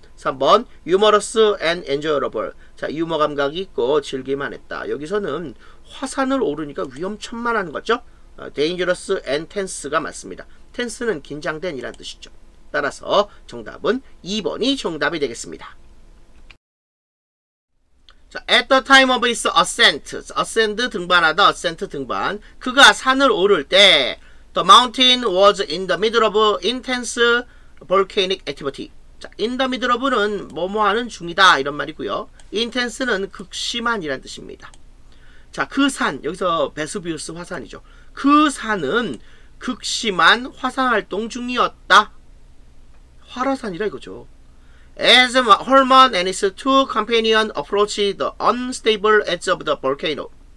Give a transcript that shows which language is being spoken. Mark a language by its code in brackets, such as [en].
[ko] 3번, [en] humorous and enjoyable, [ko] 자, 유머 감각이 있고 즐길만 했다. 여기서는 화산을 오르니까 위험천만한 거죠? [en] dangerous and tense [ko] 가 맞습니다. tense는 긴장된 이란 뜻이죠. 따라서 정답은 2번이 정답이 되겠습니다. [en] At the time of his ascent, ascend [ko] 등반하다, [en] ascent 등반. [ko] 그가 산을 오를 때, [en] the mountain was in the middle of intense volcanic activity. [ko] 자, in the middle of는 뭐뭐 하는 중이다, 이런 말이고요. intense는 극심한 이란 뜻입니다. 자, 그 산, 여기서 베수비우스 화산이죠. 그 산은 극심한 화산 활동 중이었다. 활화산이라 이거죠. [en] As Holman and his two companions approached the unstable edge of the volcano.